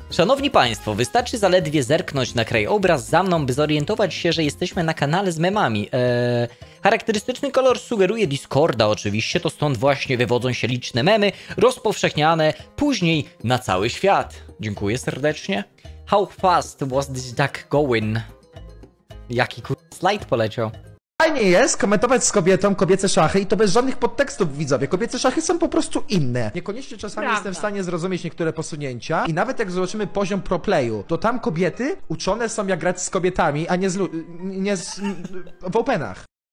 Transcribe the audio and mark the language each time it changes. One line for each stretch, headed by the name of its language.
Polish: Szanowni Państwo, wystarczy zaledwie zerknąć na krajobraz za mną, by zorientować się, że jesteśmy na kanale z memami. Charakterystyczny kolor sugeruje Discorda oczywiście, to stąd właśnie wywodzą się liczne memy, rozpowszechniane później na cały świat. Dziękuję serdecznie.
English: How fast was this duck going?
Polish: Jaki slajd poleciał? Fajnie jest komentować z kobietą kobiece szachy i to bez żadnych podtekstów, widzowie. Kobiece szachy są po prostu inne. Niekoniecznie czasami prawda. Jestem w stanie zrozumieć niektóre posunięcia i nawet jak zobaczymy poziom pro playu, to tam kobiety uczone są jak grać z kobietami, a nie z w openach.